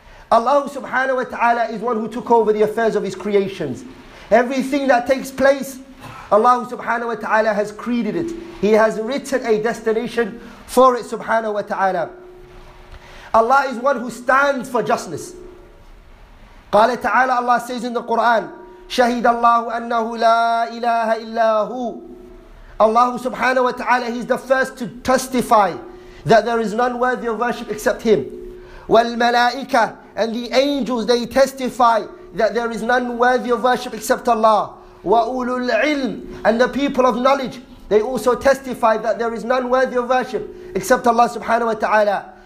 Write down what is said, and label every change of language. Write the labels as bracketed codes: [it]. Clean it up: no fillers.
[en] Allah subhanahu wa ta'ala is one who took over the affairs of His creations. Everything that takes place, Allah subhanahu wa ta'ala has created it. He has written a destination for it subhanahu wa ta'ala. Allah is one who stands for justice. [ar] قال تعالى, [en] Allah says in the Quran, [ar] شهد الله أنه لا إله إلا هو. [en] Allah subhanahu wa ta'ala, he's the first to testify that there is none worthy of worship except him. [ar] وَالْمَلَائِكَ, [en] and the angels, they testify that there is none worthy of worship except Allah. [ar] وَأُولُو الْعِلْمِ, [en] and the people of knowledge, they also testify that there is none worthy of worship except Allah subhanahu wa ta'ala.